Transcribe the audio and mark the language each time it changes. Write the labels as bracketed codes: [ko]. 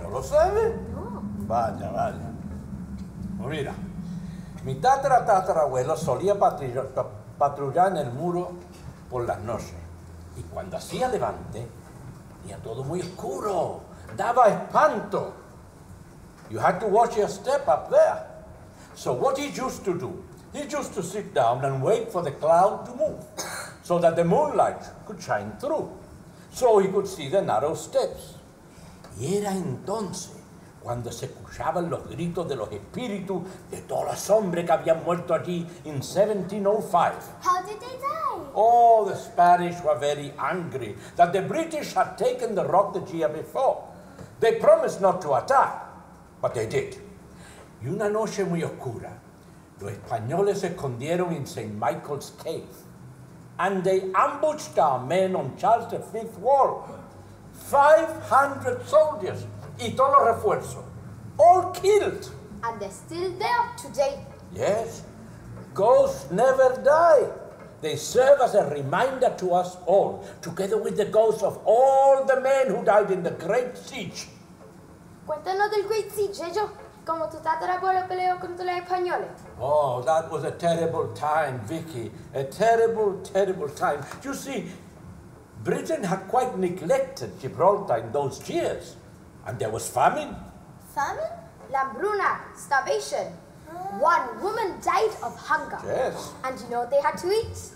[es] ¿No lo sabe? No. Vaya, vaya. Pues mira, mi tatarabuelo solía patrullar en el muro por las noches. Y cuando hacía levante, tenía todo muy oscuro. Daba espanto. [en] You had to watch your step up there. So what he used to do, he used to sit down and wait for the cloud to move so that the moonlight could shine through, so he could see the narrow steps. [es] Y era entonces cuando se escuchaban los gritos de los espíritus de todos los hombres que habían muerto allí en 1705. [en] How did they die? Oh, the Spanish were very angry that the British had taken the rock the year before. They promised not to attack, but they did. [es] Y una noche muy oscura, los españoles se escondieron en St. [en] Michael's Cave and they ambushed our men on Charles V Wall. 500 soldiers [es] y todos los refuerzos, [en] all killed. And they're still there today. Yes, ghosts never die. They serve as a reminder to us all, together with the ghosts of all the men who died in the great siege. [es] Cuéntanos del [en] great siege, [es] Yeyo, como tu tatarabuelo peleó contra los españoles. [en] Oh, that was a terrible time, Vicky. A terrible, terrible time. You see, Britain had quite neglected Gibraltar in those years, and there was famine. Famine? Lambruna, starvation. Oh. One woman died of hunger. Yes. And you know what they had to eat?